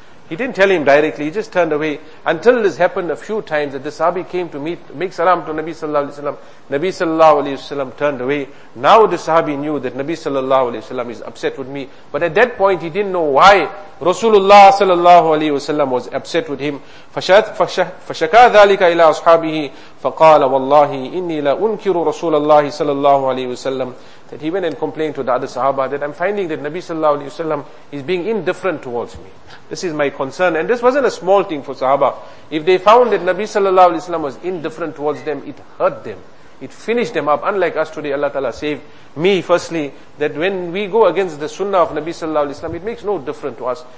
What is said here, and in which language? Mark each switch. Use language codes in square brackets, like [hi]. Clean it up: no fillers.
[en] He didn't tell him directly, he just turned away. Until this happened a few times that the sahabi came to make salam to Nabi sallallahu alayhi wa sallam. Nabi sallallahu alayhi wa sallam turned away. Now the sahabi knew that Nabi sallallahu alayhi wa sallam is upset with me. But at that point he didn't know why Rasulullah sallallahu alayhi wa sallam was upset with him. [ar] فَشَكَى ذَلِكَ إِلَىٰ أَصْحَابِهِ فَقَالَ وَاللَّهِ إِنِّي لَأُنْكِرُ رَسُولَ اللَّهِ sallallahu alayhi wa sallam. [en] That he went and complained to the other sahaba that I'm finding that Nabi sallallahu alayhi wa sallam is being indifferent towards me. This is my concern. And this wasn't a small thing for sahaba. If they found that Nabi sallallahu alayhi wa sallam was indifferent towards them, it hurt them. It finished them up. Unlike us today, Allah ta'ala save me firstly, that when we go against the sunnah of Nabi sallallahu alayhi wa sallam, it makes no difference to us.